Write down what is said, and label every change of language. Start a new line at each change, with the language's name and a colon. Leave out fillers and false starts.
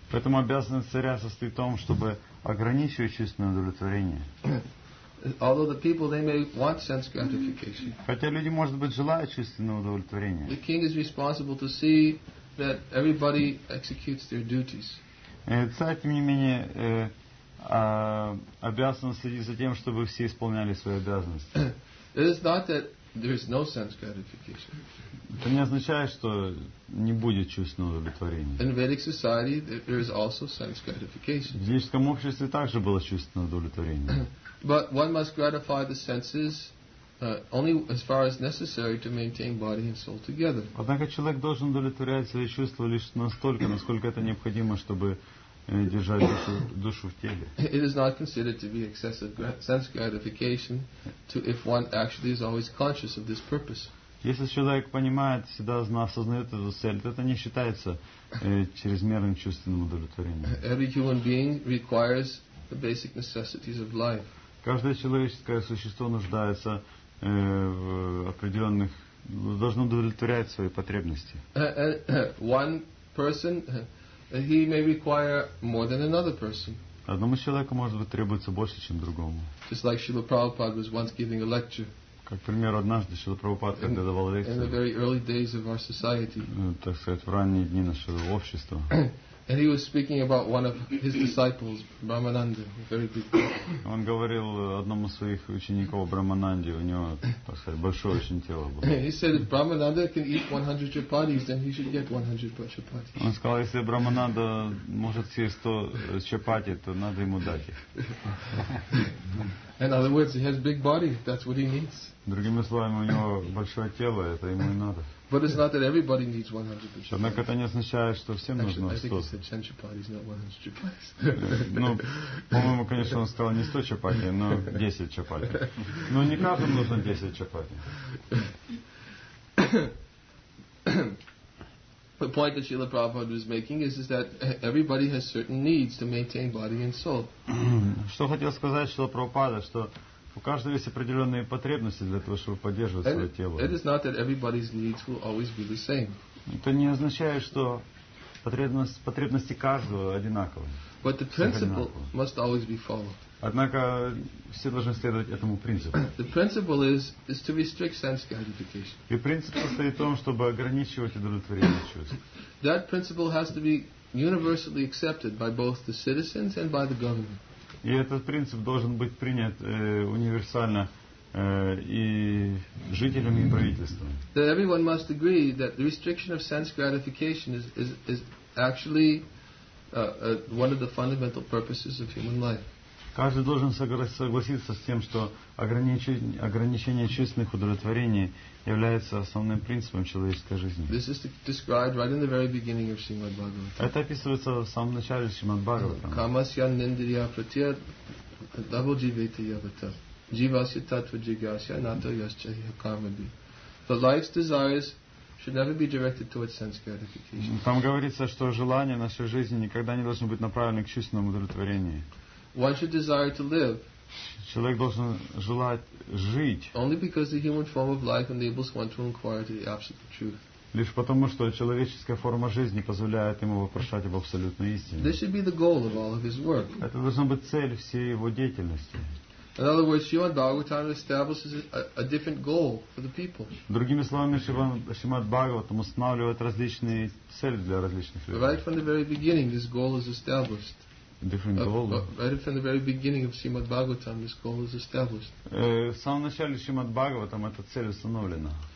Russian: Поэтому обязанность царя состоит в том, чтобы ограничивать чувственное удовлетворение.
English: Although the people, they may want sense gratification.
Russian: Хотя люди, может быть, желают чувственного удовлетворения.
English: The king is responsible to see that everybody executes their duties.
Russian: Царь, тем не менее, обязан следить за тем, чтобы все исполняли свои обязанности.
English: It is not that there is no sense gratification.
Russian: Это не означает, что не будет чувственного удовлетворения.
English: In Vedic society, there is also sense gratification.
Russian: В ведическом обществе также было чувственное удовлетворение.
English: But one must gratify the senses only as far as necessary to maintain body and soul together.
Russian: Однако человек должен удовлетворять свои чувства лишь настолько, насколько это необходимо, чтобы держать душу в теле.
English: It is not considered to be excessive sense gratification to if one actually is always conscious of this purpose.
Russian: Если человек понимает, всегда осознает эту цель, то это не считается чрезмерным чувственным удовлетворением.
English: Every human being requires the basic necessities of life.
Russian: Каждое человеческое существо нуждается в определенных, должно удовлетворять свои потребности.
English: One person, he may require more than another person.
Russian: Одному человеку, может быть, требуется больше, чем другому.
English: Just like Srila Prabhupada was once giving a lecture.
Russian: Как, к примеру, однажды Шрила Прабхупада, когда давал лекцию.
English: In the very early days of our society.
Russian: Так сказать, в ранние дни нашего общества.
English: And he was speaking about one of his disciples, Brahmananda, a very big guy.
Russian: Он говорил одному своих учеников Брахмананде, у него, так сказать, большое очень тело было.
English: He said if Brahmananda can eat 100 chapatis, then he should get 100 chapatis.
Russian: Он сказал, если Брахмананда может съесть 100 чапати, то надо ему дать их.
English: In other words, he has big body, that's what he needs.
Russian: Другими словами, у него большое тело, это ему и надо.
English: But it's not that everybody needs 100 chapatis.
Russian: Однако это не означает, что всем нужно 100.
English: Actually, I think he said 10 chapatis, not 100 chapatis.
Russian: Ну, по-моему, конечно, он сказал не 100 чапати, но 10 чапати. Но не каждому нужно 10 чапати.
English: The point that Srila Prabhupada was making is that everybody has certain needs to maintain body and soul.
Russian: Что хотел сказать Шрила Прабхупада, что у каждого есть определенные потребности для того, чтобы поддерживать свое тело.
English: It is not that everybody's needs will always be the same.
Russian: Это не означает, что потребности каждого одинаковы.
English: But the principle must always be followed.
Russian: Однако все должны следовать этому принципу.
English: The principle is to restrict sense gratification.
Russian: И принцип состоит в том, чтобы ограничивать удовлетворение чувств.
English: That principle has to be universally accepted by both the citizens and by the government.
Russian: И этот принцип должен быть принят универсально и жителями и правительством.
English: That everyone must agree that the restriction of sense gratification is actually one of the fundamental purposes of human life.
Russian: Каждый должен согласиться с тем, что ограничение чувственных удовлетворений является основным принципом человеческой жизни.
English: This is described right in the very beginning of Srimad Bhagavatam.
Russian: Это описывается в самом начале Srimad Bhagavatam.
Sanskrit: Kamasya nindriya pratyaya double jivita yavata. Jivasya tattva jigasya nato yascha yakamadi.
English: The life's desires should never be directed towards sense gratification.
Russian: Там говорится, что желания нашей жизни никогда не должны быть направлены к чувственному удовлетворению.
English: One should desire to live.
Russian: Человек должен желать жить.
English: Only because the human form of life enables one to inquire to the absolute truth.
Russian: Лишь потому, что человеческая форма жизни позволяет ему вопрошать об абсолютной истине.
English: This should be the goal of all of his work.
Russian: Это должна быть цель всей его деятельности.
English: In other words, Srimad Bhagavatam establishes a different goal for the people.
Russian: Другими словами, Шримад Бхагаватам устанавливает различные цели для различных людей.
English: Right from the very beginning, this goal is established. Different goal. Right from the very beginning of Srimad Bhagavatam, this goal is established.
Russian: В самом начале Шримад Бхагаватам эта цель установлена.